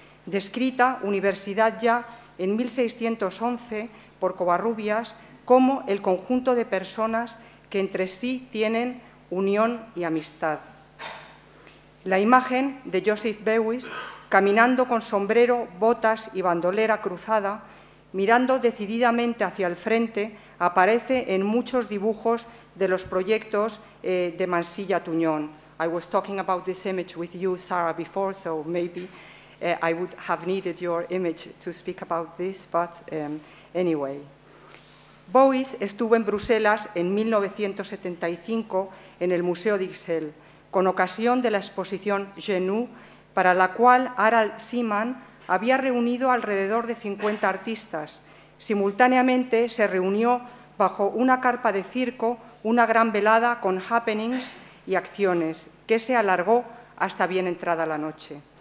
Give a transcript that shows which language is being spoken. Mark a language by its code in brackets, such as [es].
[es] descrita universidad ya en 1611 por Covarrubias como el conjunto de personas que entre sí tienen unión y amistad. La imagen de Joseph Beuys caminando con sombrero, botas y bandolera cruzada, mirando decididamente hacia el frente, aparece en muchos dibujos de los proyectos de Mansilla Tuñón. [en] I was talking about this image with you, Sarah, before, so maybe I would have needed your image to speak about this, but anyway. [es] Beuys estuvo en Bruselas en 1975 en el Museo de Ixelles, con ocasión de la exposición Genou, para la cual Harald Seemann había reunido alrededor de 50 artistas. Simultáneamente se reunió bajo una carpa de circo una gran velada con happenings y acciones, que se alargó hasta bien entrada la noche.